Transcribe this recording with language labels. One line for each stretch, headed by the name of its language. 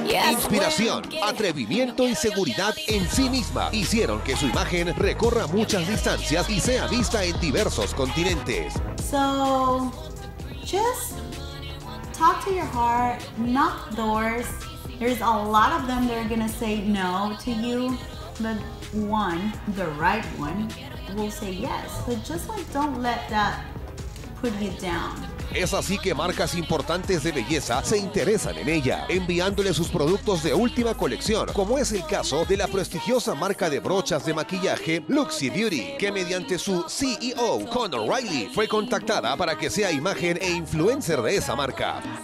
Spanish: Inspiración, atrevimiento y seguridad en sí misma hicieron que su imagen recorra muchas distancias y sea vista en diversos continentes.
English: So, just talk to your heart, knock doors. There's a lot of them that are gonna say no to you, but one, the right one, will say yes. So just like don't let that put you down.
Spanish: Es así que marcas importantes de belleza se interesan en ella, enviándole sus productos de última colección, como es el caso de la prestigiosa marca de brochas de maquillaje Luxy Beauty, que mediante su CEO, Connor Riley, fue contactada para que sea imagen e influencer de esa marca.